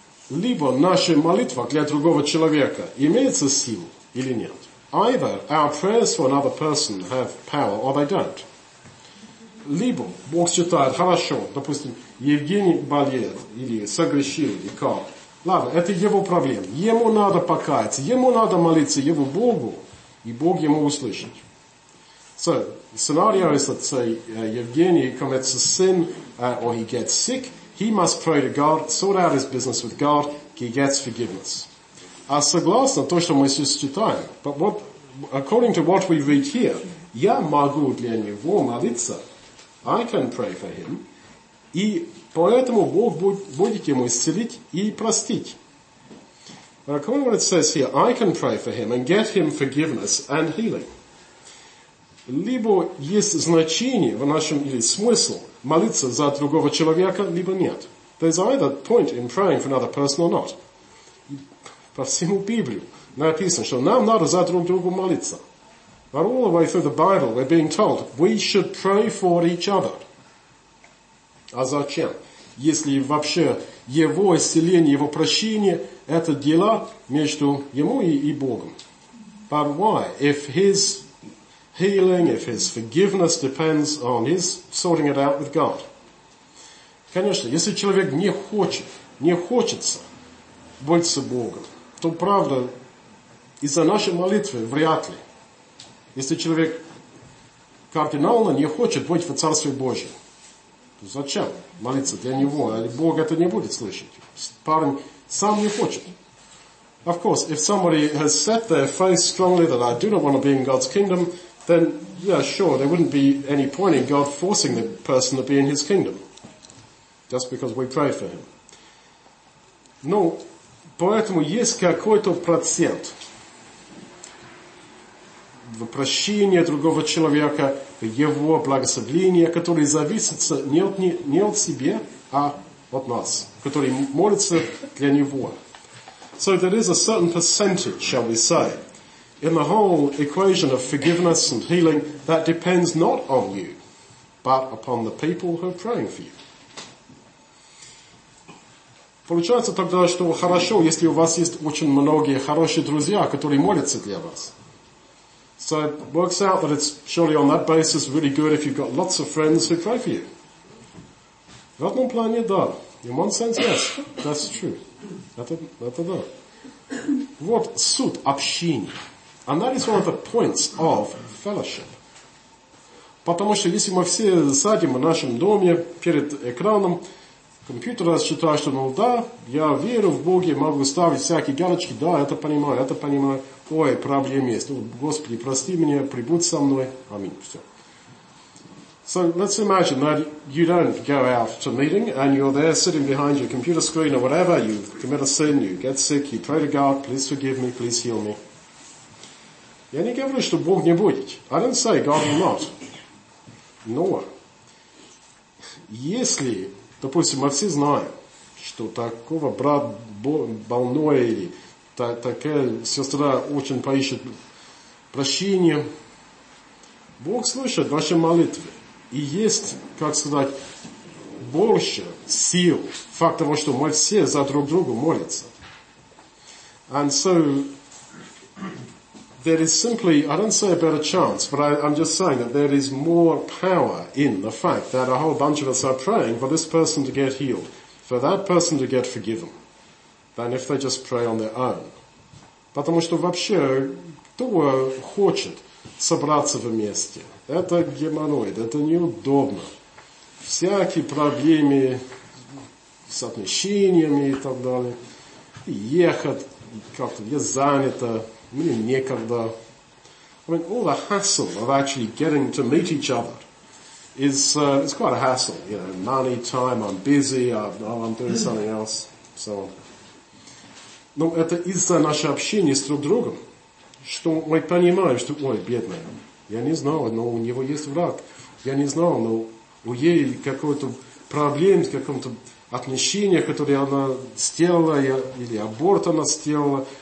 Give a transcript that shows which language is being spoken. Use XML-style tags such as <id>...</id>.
<ru>Либо наша молитва для другого человека имеется силу или нет.</ru> <en>Either our prayers for another person have power or they don't.</en> <ru>Либо Бог считает, хорошо, допустим, Евгений болеет или согрешил, и как. Ладно, это его проблема. Ему надо покаяться, ему надо молиться его Богу, и Бог ему услышит.</ru> <en>So, the scenario is that, say, Евгений commits a sin, or he gets sick, he must pray to God, sort out his business with God, he gets forgiveness.</en> <ru>А согласно то, что мы сейчас читаем,</ru> <en>but what, according to what we read here,</en> <ru>я могу для него молиться,</ru> <en>I can pray for him,</en> <ru>и поэтому Бог будет ему исцелить и простить.</ru> <en>Come on, what it says here, I can pray for him and get him forgiveness and healing.</en> <ru>Либо есть значение в нашем, или смысл, молиться за другого человека, либо нет.</ru> <en>There's either point in praying for another person or not.</en> <ru>По всему Библию написано, что нам надо за друг другу молиться.</ru> <en>But all the way through the Bible, we're being told, we should pray for each other.</en> <ru>А зачем? Если вообще его исцеление, его прощение, это дела между ему и Богом.</ru> <en>But why? If his healing, if his forgiveness depends on his sorting it out with God.</en> <ru>Конечно, если человек не хочет, не хочется больше Богом, то правда, из-за нашей молитвы вряд ли. Если человек кардинально не хочет быть в Царстве Божьем, Зачем молиться для него? Бог это не будет слышать. Парень сам не хочет.</ru> <en>Of course, if somebody has set their faith strongly that I do not want to be in God's kingdom, then, yeah, sure, there wouldn't be any point in God forcing the person to be in his kingdom. Just because we pray for him.</en> <ru>Но поэтому есть какой-то процент в прощении другого человека, в его благословении, который зависит не от себя, а от нас, который молится для него.</ru> <en>So there is a certain percentage, shall we say, in the whole equation of forgiveness and healing that depends not on you, but upon the people who are praying for you.</en> <ru>Получается тогда, что хорошо, если у вас есть очень многие хорошие друзья, которые молятся для вас.</ru> <en>So it works out that it's surely on that basis really good if you've got lots of friends who pray for you.</en> <ru>В одном плане, да.</ru> <en>In one sense, yes, that's true.</en> <ru>Это да. Вот суть общения.</ru> <en>And that is one of the points of fellowship.</en> <ru>Потому что если мы все сядем в нашем доме перед экраном компьютера, считая, что, ну да, я верю в Бога, могу ставить всякие галочки, да, это понимаю, ой, проблем есть, ну, Господи, прости меня, прибудь со мной, аминь, все.</ru> <en>So let's imagine that you don't go out to meeting and you're there sitting behind your computer screen or whatever, you commit a sin, you get sick, you pray to God, please forgive me, please heal me.</en> <ru>Я не говорю, что Бог не будет.</ru> <en>I don't say God will not.</en> <ru>Но если, допустим, мы все знаем, что такого брат больной или такая сестра очень поищет прощение, Бог слышит ваши молитвы. И есть, как сказать, больше сил факт того, что мы все за друг друга молятся.</ru> <en>And so there is simply, I don't say a better chance, but I'm just saying that there is more power in the fact that a whole bunch of us are praying for this person to get healed, for that person to get forgiven, than if they just pray on their own.</en> <ru>Потому что вообще, кто хочет собраться вместе? Это геморроид, это неудобно. Всякие проблемы с отношениями и так далее. Ехать как-то, я занята, мне некогда.</ru> <en>I mean, all the hassle of actually getting to meet each other is quite a hassle. You know, money, time, I'm busy, I'm doing something else, so on.</en> <ru>Но это из-за нашего общения с друг другом, что мы понимаем, что, ой, бедная, я не знал, но у него есть враг. Я не знал, но у ей какой-то проблем с каком-то отношении, которое она сделала, или аборт она сделала.</ru>